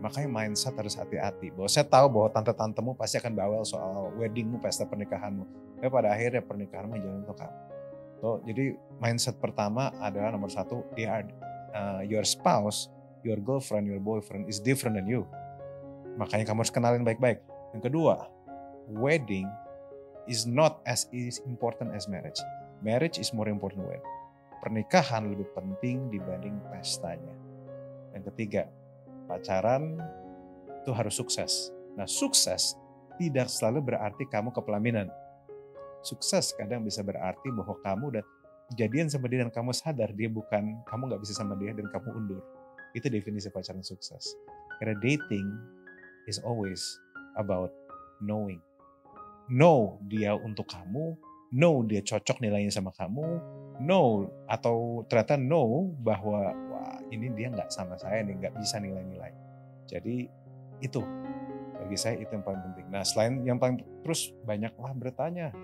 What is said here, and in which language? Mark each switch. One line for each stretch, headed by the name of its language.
Indonesian: Makanya mindset harus hati-hati. Bahwa saya tahu bahwa tante-tantemu pasti akan bawel soal weddingmu, pesta pernikahanmu. Tapi pada akhirnya pernikahanmu jalan untuk kamu. So, jadi mindset pertama adalah nomor satu,
English: your spouse, your girlfriend, your boyfriend is different than you.
Indonesian: Makanya kamu harus kenalin baik-baik. Yang kedua,
English: wedding is not as important as marriage. Marriage is more important than wedding.
Indonesian: Pernikahan lebih penting dibanding pestanya. Yang ketiga, pacaran itu harus sukses. Nah, sukses tidak selalu berarti kamu kepelaminan. Sukses kadang bisa berarti bahwa kamu udah jadian sama dia dan kamu sadar dia bukan, kamu gak bisa sama dia dan kamu undur. Itu definisi pacaran sukses.
English: Karena dating is always about knowing.
Indonesian: Know dia untuk kamu, know dia cocok nilainya sama kamu, know atau ternyata know bahwa wah, ini dia gak sama saya nih, gak bisa nilai-nilai. Jadi itu, bagi saya itu yang paling penting. Nah, selain yang paling, terus banyaklah bertanya.